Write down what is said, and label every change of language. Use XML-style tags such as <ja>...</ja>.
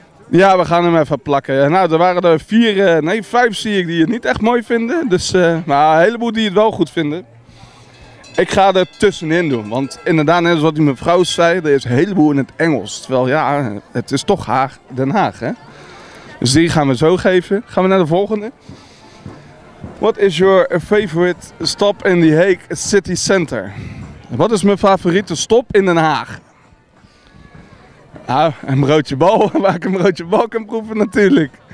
<nl>Ja, we gaan hem even plakken. Nou, er waren er 5 zie ik die het niet echt mooi vinden. Dus een heleboel die het wel goed vinden. Ik ga er tussenin doen, want inderdaad, net als wat die mevrouw zei, er is een heleboel in het Engels. Terwijl, ja, het is toch Den Haag, hè? Dus die gaan we zo geven. Gaan we naar de volgende.</nl> <en>What is your favorite stop in the Hague City Center?</en> <nl>Wat is mijn favoriete stop in Den Haag? Nou, een broodje bal, waar ik een broodje bal kan proeven natuurlijk.</nl>